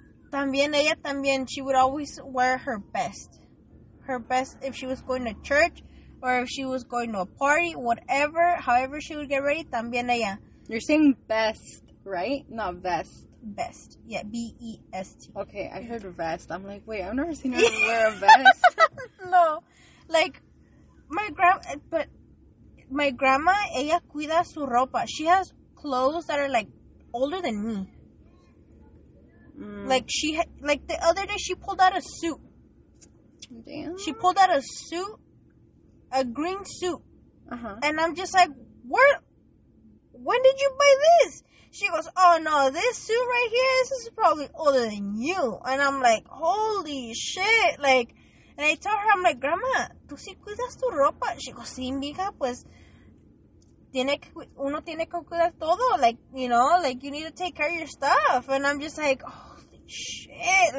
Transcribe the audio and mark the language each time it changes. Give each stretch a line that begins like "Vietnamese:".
Spanish: También, ella también,
English: she would always wear her best. Her best if she was going to church or if she was going to a party, whatever, however she would get ready,
Spanish: también ella.
English: You're saying best, right? Not vest. Best. Yeah, B-E-S-T. Okay, I heard vest. I'm like, wait, I've never seen her wear a vest. No. Like, my grandma,
Spanish: ella cuida su ropa.
English: She has clothes that are, like, older than me. Like, the other day, she pulled out a suit. Damn. She pulled out a suit, a green suit. Uh-huh. And I'm just like, when did you buy this? She goes, oh, no, this suit right here, this is probably older than you. And I'm like, holy shit. Like, and I tell her, I'm like, grandma,
Spanish: ¿tú sí cuidas tu ropa?
English: She goes,
Spanish: sí, mija, pues, uno tiene que cuidar todo.
English: Like, you know, like, you need to take care of your stuff. And I'm just like, holy shit.